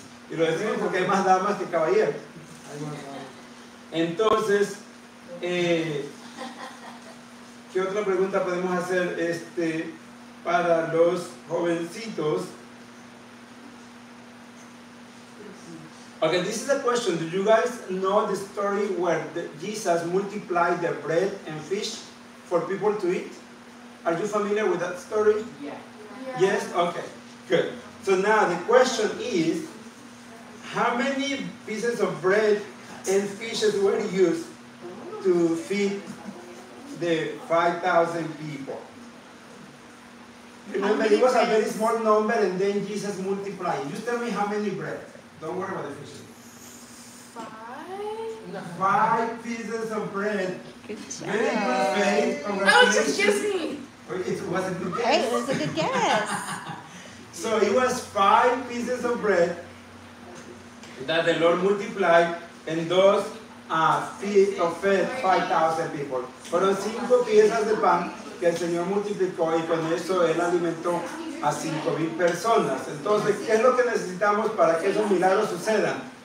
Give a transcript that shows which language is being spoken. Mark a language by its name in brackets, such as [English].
[Spanish] Y lo decimos porque hay más damas que caballeros. Entonces, ¿qué otra pregunta podemos hacer para los jovencitos? [English] Okay, this is the question. Do you guys know the story where Jesus multiplied the bread and fish for people to eat? Are you familiar with that story? Yeah. Yes? Okay, good. So now the question is, how many pieces of bread and fishes were used to feed the 5,000 people? Remember, it was a very small number and then Jesus multiplied. You tell me how many bread. Don't worry about the fish. Five pieces of bread. Very good faith. Oh, excuse me. It was a good guess. It was a good guess. So it was five pieces of bread that the Lord multiplied and those fed 5,000 people. [Spanish] Fueron 5 piezas de pan que el Señor multiplicó y con eso Él alimentó a 5,000 personas. Entonces, ¿qué es lo que necesitamos para que esos milagros sucedan?